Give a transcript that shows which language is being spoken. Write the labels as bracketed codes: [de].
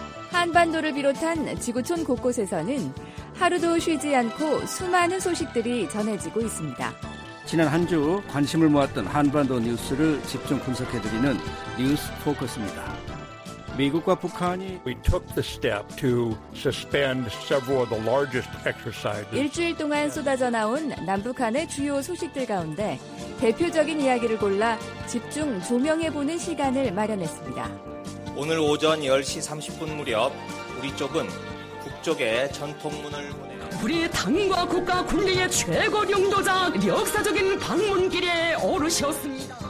[ko] 한반도를 비롯한 지구촌 곳곳에서는 하루도 쉬지 않고 수많은 소식들이 전해지고 있습니다. 지난 한 주 관심을 모았던 한반도 뉴스를 집중 분석해드리는 뉴스 포커스입니다. 미국과 북한이 [en] We took the step to suspend several of the largest exercises. [ko] 일주일 동안 쏟아져 나온 남북한의 주요 소식들 가운데 대표적인 이야기를 골라 집중 조명해보는 시간을 마련했습니다. 오늘 오전 10시 30분 무렵 우리 쪽은 북쪽에 전통문을 우리 당과 국가 국민의 최고 영도자 역사적인 방문길에 오르셨습니다.